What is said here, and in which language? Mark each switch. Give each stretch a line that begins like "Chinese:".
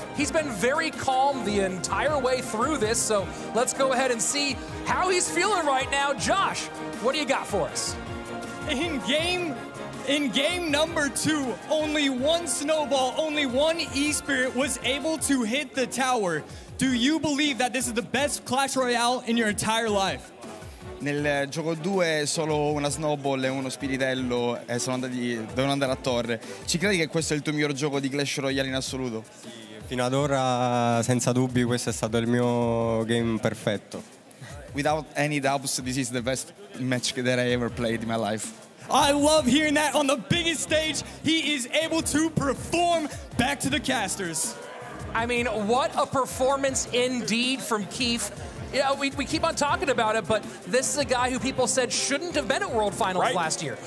English: He's been very calm the entire way through this, so let's go ahead and see how he's feeling right now. Josh, what do you got for us? In game number two, only one snowball, only one E-Spirit was able to hit the tower. Do you believe that this is the best Clash Royale in your entire life?
Italian: Nel gioco 2 solo una snowball e uno spiritello devono andare a torre. Ci credi che questo è il tuo miglior gioco di Clash Royale in assoluto? Fino ad ora, senza dubbi, questo è stato il mio game perfetto.
English: Without any doubts, this is the best match that I ever played in my life. I love hearing that on the biggest stage. He is able to perform back to the casters. I mean, what a performance indeed from Keith. Yeah, you know, we keep on talking about it, but this is a guy who people said shouldn't have been at World Finals last year.